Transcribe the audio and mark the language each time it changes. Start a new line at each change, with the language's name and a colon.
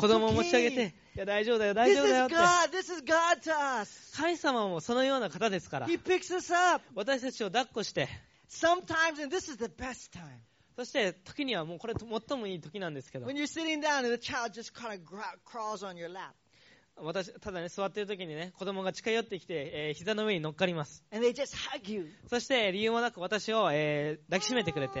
Japanese: 子供を持ち上げて、いや、大丈夫だよ、大丈夫だよって。
English: This is God. This is God to us.
Japanese: 神様もそのような方ですから。
English: He picks us up.
Japanese: 私たちを抱っこして、
English: Sometimes, and this is the best time.
Japanese: そして時にはもうこれ最もいい時なんですけど。
English: When you're sitting down and the child just kind of crawls on your lap.
Japanese: 私ただね座っている時にね子供が近寄ってきて、膝の上に乗っかります。
English: And they just hug you.
Japanese: そして理由もなく私を、抱きしめてくれて。